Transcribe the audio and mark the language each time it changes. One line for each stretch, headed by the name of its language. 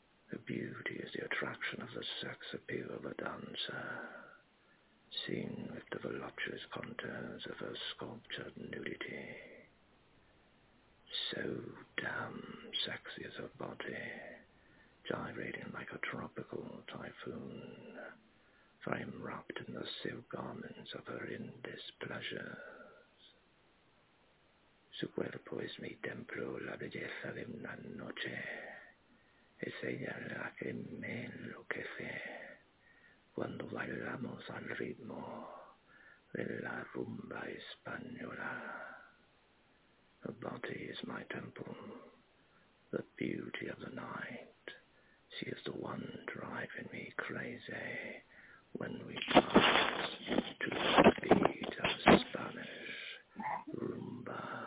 English: The beauty is the attraction of the sex appeal of a dancer, seen with the voluptuous contours of her sculptured nudity. So damn sexy is her body, gyrating like a tropical typhoon, for I am wrapped in the silk garments of her indispleasures.
Spanish: Su cuerpo es mi templo, la belleza de una noche, es ella la que me enloquece cuando bailamos al ritmo de la rumba española.
English: Her body is my temple, the beauty of the night. She is the one driving me crazy when we dance to the beat of Spanish rumba.